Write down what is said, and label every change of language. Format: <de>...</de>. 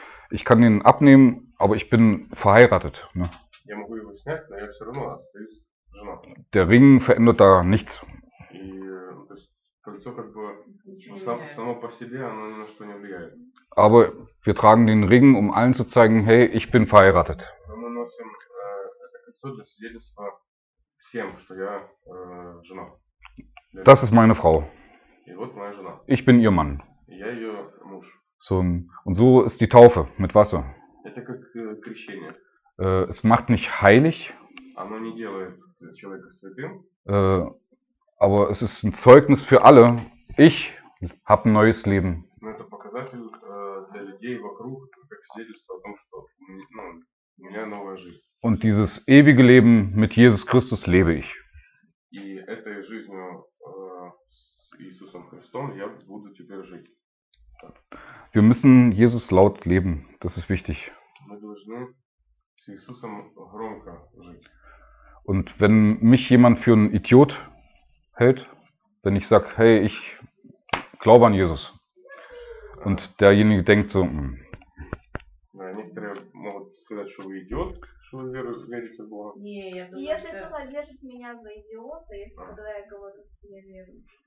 <de>Ich kann den abnehmen, aber ich bin verheiratet.</de> <ru>Я могу его снять, но я все равно остаюсь женатым.</ru> <de>Der Ring verändert da nichts.</de> <ru>И то есть, кольцо как бы само по себе, оно ни на что не влияет.</ru> <de>Aber wir tragen den Ring, um allen zu zeigen, hey, ich bin verheiratet.</de> <ru>Мы носим это кольцо для свидетельства всем, что я женат.</ru> <de>Das ist meine Frau.</de> <ru>И вот моя жена.</ru> <de>Ich bin ihr Mann.</de> <ru>Я ее муж.</ru> <de>So, und so ist die Taufe mit Wasser.</de> <ru>Это как крещение.</ru> <de>Es macht nicht heilig.</de> <ru>Оно не делает человека святым.</ru> <de>Aber es ist ein Zeugnis für alle. Ich habe ein neues Leben.</de> <ru>Но это показатель для людей вокруг, как свидетельство о том, что у меня новая жизнь.</ru> <de>Und dieses ewige Leben mit Jesus Christus lebe ich.</de> <ru>И этой жизнью с Иисусом Христом я буду теперь жить.</ru> <de>Wir müssen Jesus laut leben. Das ist wichtig.</de> <ru>Мы должны с Иисусом громко жить.</ru> <de>Und wenn mich jemand für einen Idiot hält, wenn ich sage, hey, ich glaube an Jesus, und derjenige denkt so,</de> <ru>Ja, некоторые могут сказать, что вы идиот, что вы верите в Бога. Не, я думаю, если кто-то держит меня за идиота, если когда я говорю, что я верю.</ru>